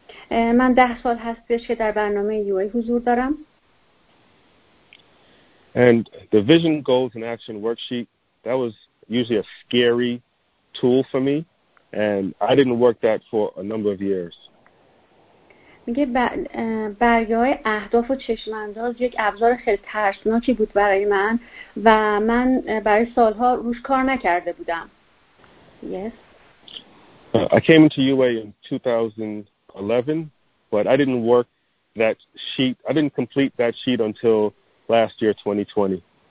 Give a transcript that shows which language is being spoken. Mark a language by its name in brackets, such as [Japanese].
[Persian] من 10 سال هست که در برنامه UA حضور دارم. [English] And the vision, goals and action worksheet, that was usually a scary tool for me. And I didn't work that for a number of years. [Persian] میگه برگه‌های اهداف و چشم‌انداز یک ابزار خیلی ترسناکی بود برای من و من برای سال‌ها روش کار نکرده بودم. [English] Yes. I came into UA in 2011, but I didn't work that sheet. I didn't complete that sheet until last year, 2020.